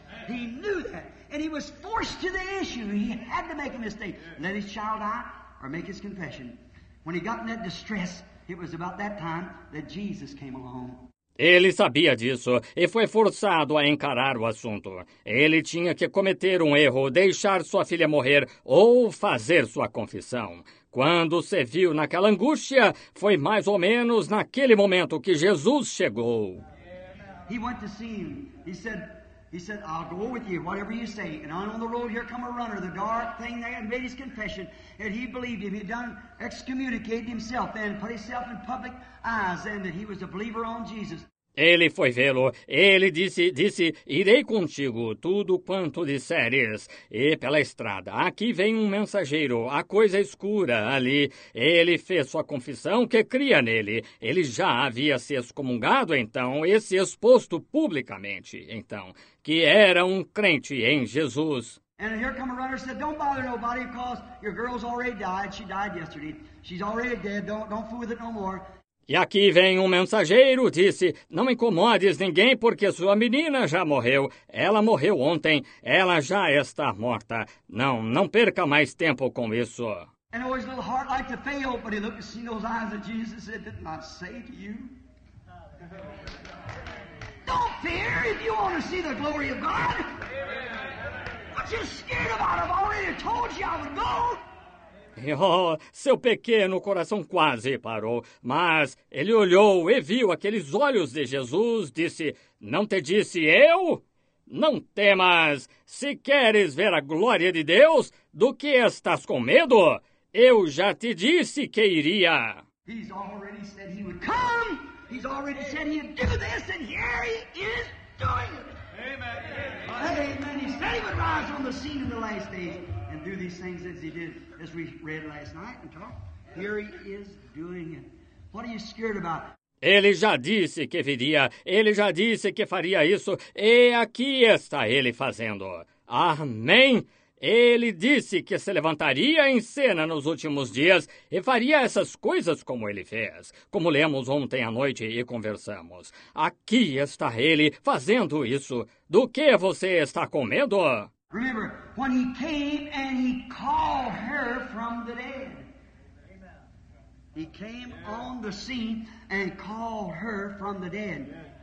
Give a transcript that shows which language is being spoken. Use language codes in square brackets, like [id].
[en] He knew that, and he was forced to the issue. He had to make a mistake. Let his child die or make his confession. When he got in that distress, it was about that time that Jesus came along. [pt] Ele sabia disso e foi forçado a encarar o assunto. Ele tinha que cometer um erro, deixar sua filha morrer ou fazer sua confissão. Quando se viu naquela angústia, foi mais ou menos naquele momento que Jesus chegou. [en] He went to see him. He said, I'll go with you, whatever you say. And on the road here come a runner, the dark thing there, and made his confession. And he believed him. He'd done excommunicated himself and put himself in public eyes and that he was a believer on Jesus. [pt] Ele foi vê-lo. Ele disse, irei contigo tudo quanto disseres. E pela estrada, aqui vem um mensageiro, a coisa escura ali. Ele fez sua confissão que cria nele. Ele já havia se excomungado então e se exposto publicamente, então, que era um crente em Jesus. [en] And here come a runner said, don't bother nobody because your girl's already died. She died yesterday. She's already dead. Don't fool with it no more. [pt] E aqui vem um mensageiro, disse, não incomodes ninguém porque sua menina já morreu. Ela morreu ontem, ela já está morta. Não, não perca mais tempo com isso. [en] And his little heart liked to fail, but he looked to see those eyes of Jesus and said, didn't I say to you? Don't fear if you want to see the glory of God. What you scared about? I've already told you I would go. [pt] Oh, seu pequeno coração quase parou, mas ele olhou e viu aqueles olhos de Jesus, disse, não te disse eu? Não temas, se queres ver a glória de Deus, do que estás com medo? Eu já te disse que iria. [en] He's already said he would come, he's already said he'd do this, and here he is doing it. Amen. Amen. He said he would rise on the scene in the last day. Do these things as he did, as we read last night and talked. Here he is doing it. What are you scared about? [pt] Ele já disse que viria. Ele já disse que faria isso. E aqui está ele fazendo. Amém. Ele disse que se levantaria em cena nos últimos dias e faria essas coisas como ele fez, como lemos ontem à noite e conversamos. Aqui está ele fazendo isso. Do que você está com medo? [en] Remember, when he came and he called her from the dead. He came on the scene and called her from the dead.